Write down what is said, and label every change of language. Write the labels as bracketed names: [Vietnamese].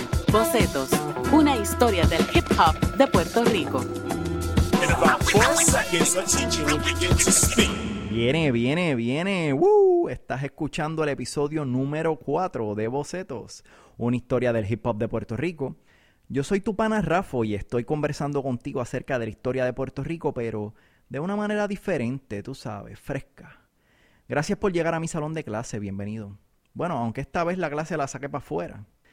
[Spanish] Bocetos, una historia del hip hop de Puerto Rico. [English] In about 4 seconds, our teacher will begin to speak. [Spanish] Viene, ¡woo! Estás escuchando el episodio número 4 de Bocetos, una historia del hip hop de Puerto Rico. Yo soy tu pana Rafo y estoy conversando contigo acerca de la historia de Puerto Rico, pero de una manera diferente, tú sabes, fresca. Gracias por llegar a mi salón de clase, bienvenido. Bueno, aunque esta vez la clase la saqué para afuera.